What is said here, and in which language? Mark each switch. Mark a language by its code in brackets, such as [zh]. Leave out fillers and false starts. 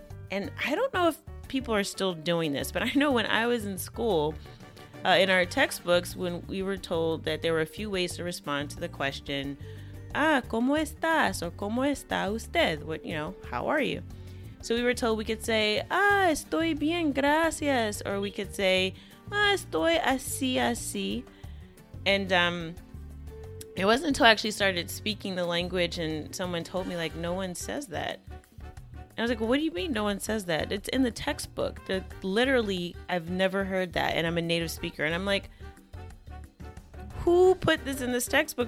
[en] And I don't know if people are still doing this, but I know when I was in school, in our textbooks, when we were told that there were a few ways to respond to the question, [es] ¿cómo estás? [en] Or [es] ¿cómo está usted? [en] What, you know, how are you? So we were told we could say, [es] estoy bien, gracias. [en] Or we could say, [es] estoy así, así. [en] And it wasn't until I actually started speaking the language and someone told me, like, no one says that. And I was like, well, what do you mean no one says that? It's in the textbook. That literally, I've never heard that. And I'm a native speaker. And I'm like, who put this in this textbook?